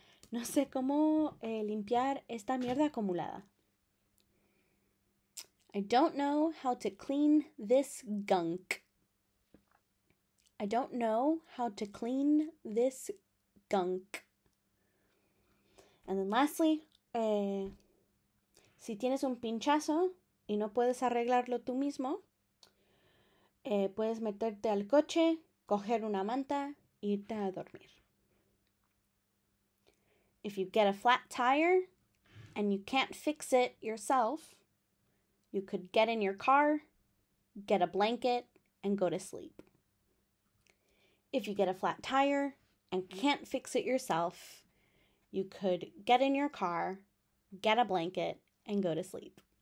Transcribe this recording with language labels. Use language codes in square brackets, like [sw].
[es] No sé cómo limpiar esta mierda acumulada. [en] I don't know how to clean this gunk. I don't know how to clean this gunk. And then lastly, [es] si tienes un pinchazo y no puedes arreglarlo tú mismo, puedes meterte al coche, coger una manta, e irte a dormir. [en] If you get a flat tire and you can't fix it yourself, you could get in your car, get a blanket, and go to sleep. If you get a flat tire and can't fix it yourself, you could get in your car, get a blanket, and go to sleep.